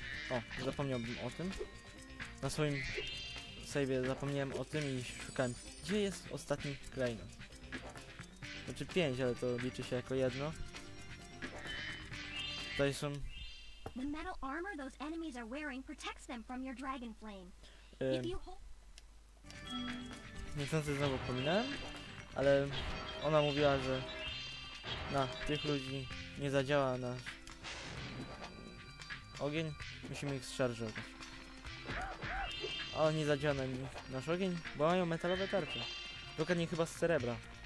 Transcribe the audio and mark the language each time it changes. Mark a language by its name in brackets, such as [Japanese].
[Polish] O, zapomniałbym o tym. Na swoim save'ie zapomniałem o tym i szukałem, gdzie jest ostatni klejnot. Znaczy 5, ale to liczy się jako jedno. Tutaj są... [English] The metal armor those enemies are wearing protects them from your dragon flame. [Polish] Niestety znowu pominąłem, ale ona mówiła, że na tych ludzi nie zadziała nasz ogień. Musimy ich zszarżować. A oni zadziała na nich nasz ogień, bo mają metalowe tarcze. Dokładnie chyba z srebra.